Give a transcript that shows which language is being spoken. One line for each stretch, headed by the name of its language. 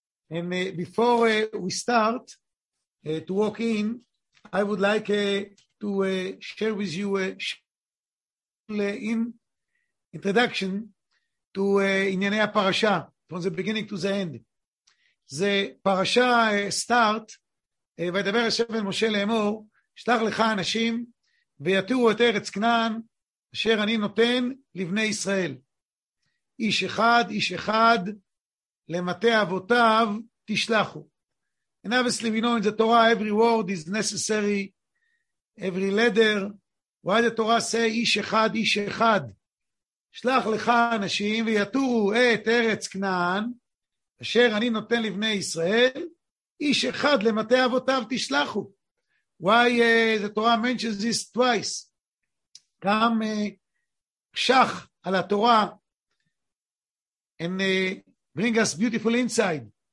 English: And before we start to walk in, I would like to share with you a introduction to Inyanei HaParasha, from the beginning to the end. The parasha start,
Hebrew: וידבר השם אל משה לאמור, שלח לך אנשים, ויתורו את ארץ כנען, אשר אני נותן לבני ישראל. איש אחד, איש אחד, למטה אבותיו, תשלחו.
English: And obviously we know in the Torah, every word is necessary, every letter. Why the Torah say,
Hebrew: איש אחד, איש אחד, שלח לך אנשים, ויתורו את ארץ כנען, אשר אני נותן לבני ישראל, איש אחד למטה אבותיו תשלחו.
English: Why the Torah mentions this twice?
Hebrew: גם שח על התורה,
English: and bring us beautiful inside.